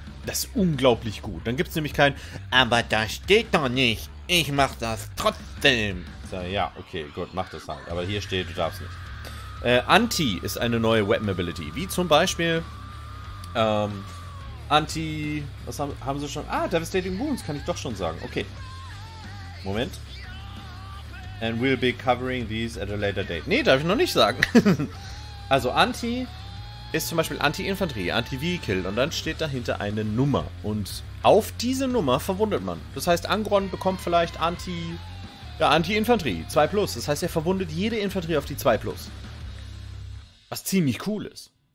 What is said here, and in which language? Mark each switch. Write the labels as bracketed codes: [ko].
[de] Das ist unglaublich gut. Dann gibt es nämlich kein, aber das steht doch nicht, ich mach das trotzdem. Ja, okay, gut, mach das halt. Aber hier steht, du darfst nicht. Anti ist eine neue Weapon Ability. Wie zum Beispiel, Anti, was haben sie schon? Ah, Devastating Wounds, kann ich doch schon sagen. Okay. Moment. [en] And we'll be covering these at a later date. [de] Nee, darf ich noch nicht sagen. Also Anti ist zum Beispiel Anti-Infanterie, Anti-Vehicle und dann steht dahinter eine Nummer. Und auf diese Nummer verwundet man. Das heißt, Angron bekommt vielleicht Anti-Infanterie, 2+. Das heißt, er verwundet jede Infanterie auf die 2+. Was ziemlich cool ist.